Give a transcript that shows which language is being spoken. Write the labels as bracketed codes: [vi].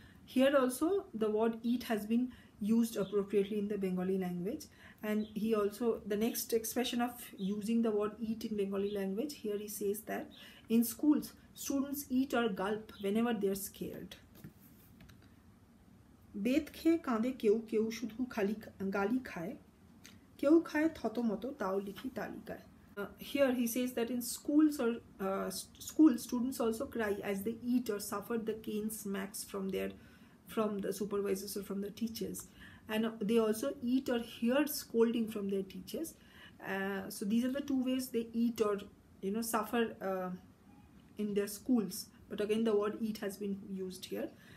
[en] Here also the word eat has been used appropriately in the Bengali language, and he also, the next expression of using the word eat in Bengali language, here he says that in schools students eat or gulp whenever they are scared. [bn] বেত খেয়ে কাঁদে কেউ কেউ শুধু খালি গালি খায় কেউ খায় থতমতো তাও লিখি তালিকায়. [en] Here he says that in schools or schools students also cry as they eat or suffer the cane smacks from the supervisors or from the teachers, and they also eat or hear scolding from their teachers. So these are the two ways they eat or suffer in their schools, but again the word eat has been used here.